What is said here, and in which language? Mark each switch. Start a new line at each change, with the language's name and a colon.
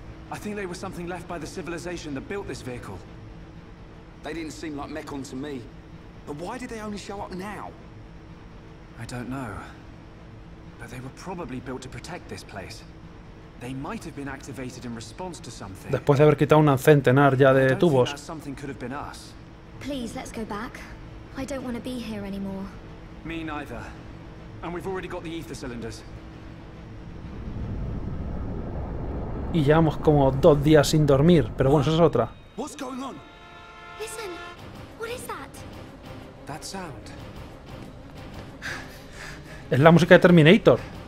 English: I think they were something left by the civilization that built this vehicle. They didn't seem like Mekon to me. But why did they only show up now? I don't know. But they were probably built to protect this place. They might have been activated in response to something.
Spanish: Después de haber quitado un centenar ya de tubos.
English: Something could have been us. Please, let's go back. I don't want to be here anymore. Me neither. And we've already got the ether cylinders.
Spanish: Y llevamos como dos días sin dormir, pero bueno, eso es otra.
English: What's going on? Listen. What is that? That sound.
Spanish: Es la música de Terminator.